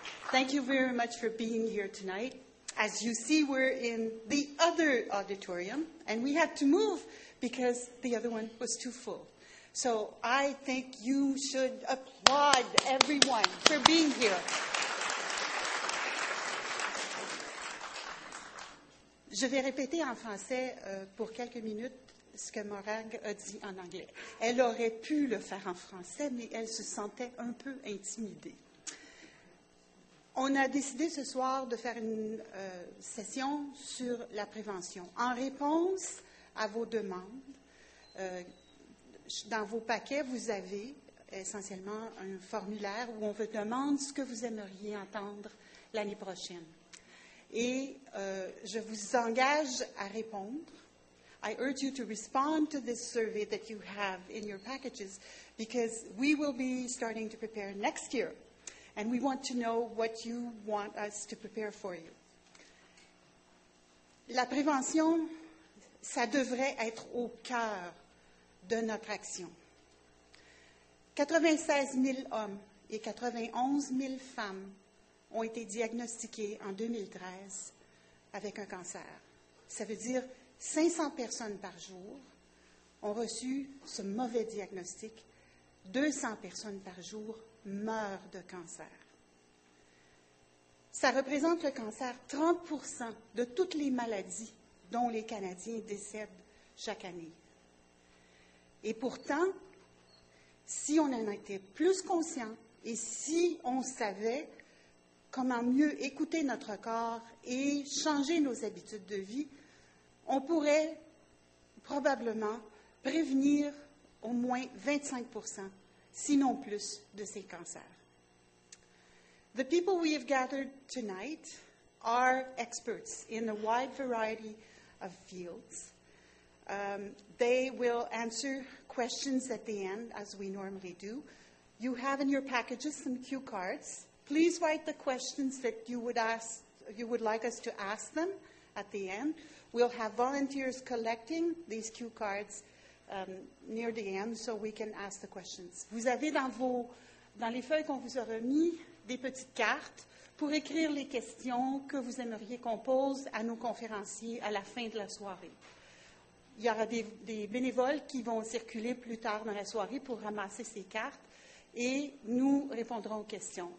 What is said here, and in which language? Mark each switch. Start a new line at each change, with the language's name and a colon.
English: Thank you very much for being here tonight. As you see, we're in the other auditorium, and we had to move because the other one was too full. So I think you should applaud everyone for being here.
French: Je vais répéter en français pour quelques minutes ce que Morague a dit en anglais. Elle aurait pu le faire en français, mais elle se sentait un peu intimidée. On a décidé ce soir de faire une session sur la prévention. En réponse à vos demandes, dans vos paquets, vous avez essentiellement un formulaire où on vous demande ce que vous aimeriez entendre l'année prochaine. Et je vous engage à répondre.
English: I urge you to respond to this survey that you have in your packages because we will be starting to prepare next year. And we want to know what you want us to prepare for you.
French: La prévention, ça devrait être au cœur de notre action. 96 000 hommes et 91 000 femmes ont été diagnostiqués en 2013 avec un cancer. Ça veut dire 500 personnes par jour ont reçu ce mauvais diagnostic. 200 personnes par jour meurent de cancer. Ça représente le cancer 30 % de toutes les maladies dont les Canadiens décèdent chaque année. Et pourtant, si on en était plus conscient et si on savait comment mieux écouter notre corps et changer nos habitudes de vie, on pourrait probablement prévenir au moins 25 % sinon plus de ces cancers.
English: The people we have gathered tonight are experts in a wide variety of fields. They will answer questions at the end, as we normally do. You have in your packages some cue cards. Please write the questions that you would like us to ask them at the end. We'll have volunteers collecting these cue cards near the end, so we can ask the questions.
French: Vous avez dans les feuilles qu'on vous a remis des petites cartes pour écrire les questions que vous aimeriez qu'on pose à nos conférenciers à la fin de la soirée. Il y aura des bénévoles qui vont circuler plus tard dans la soirée pour ramasser ces cartes et nous répondrons aux questions.